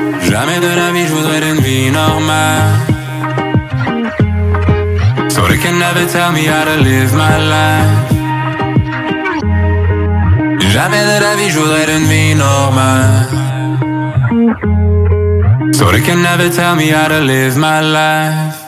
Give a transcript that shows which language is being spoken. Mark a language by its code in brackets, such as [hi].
[fr] Jamais de la vie, je voudrais une vie normale. [en] So they can never tell me how to live my life. [fr] Jamais de la vie, je voudrais une vie normale. [en] So they can never tell me how to live my life.